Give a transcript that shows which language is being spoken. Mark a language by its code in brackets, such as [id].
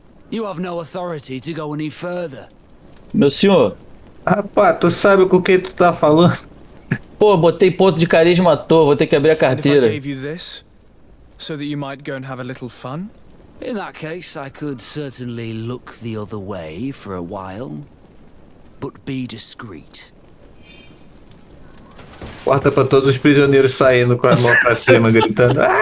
[en] You have no authority to go any further. [pt] Meu senhor. Rapaz, tu sabe com quem tu tá falando? Pô, botei ponto de carisma à toa, vou ter que abrir a carteira. [en] If I gave you this, so that you might go and have a little fun? In that case, I could certainly look the other way for a while, but be discreet. [pt] Corta pra todos os prisioneiros saindo com a mão pra cima, gritando.